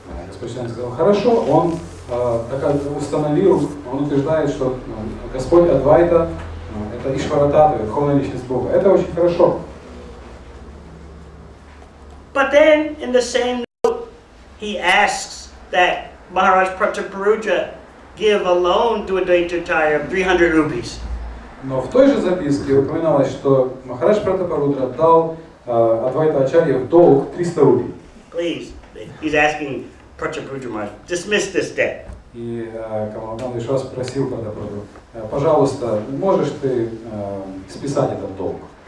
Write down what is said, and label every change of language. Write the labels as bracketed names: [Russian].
[Russian] Господь Чайтанья сказав, хорошо, он так установил, он утверждает, что Господь Адвайта – это Ишвара Таттва, Верховная Личность Бога. Это очень хорошо. [English] But then, in the same note, he asks that Maharaj Pratyaparuja give a loan to Advaita Chaya of 300 rupees. [Russian] Но в той же записке упоминалось, что Махарадж Пратапарудра дал Адвайта Ачарье в долг 300 рупий. [English] Please, he's asking Пратапаруджа Махарадж, dismiss this debt. [Russian] И Камалдан еще раз спросил Пратапаруджу, пожалуйста, можешь ты списать этот долг?